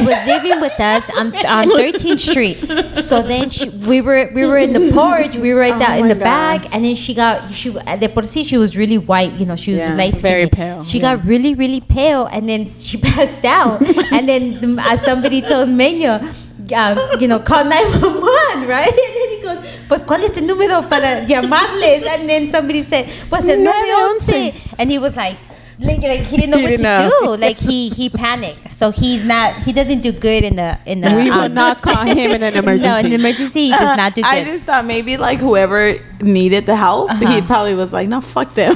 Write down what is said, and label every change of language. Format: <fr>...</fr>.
<en>She was living with us on 13th Street. So then we were in the porch. We were back. And then she was really white. You know, she was light skinned. Very pale. She got really, really pale. And then she passed out. And then somebody told Meño, call 911, right?</en> <es>Pues, ¿cuál es el número para llamarles?</es> <en>And then somebody said,</en> <es>pues, el 911.</es> <en>And he was like he didn't know what to do. Like, he panicked. So he doesn't do good in the. We will not call him in an emergency. No, in an emergency, he does not do good. I just thought maybe, like, whoever needed the help, he probably was like, no, fuck them.</en>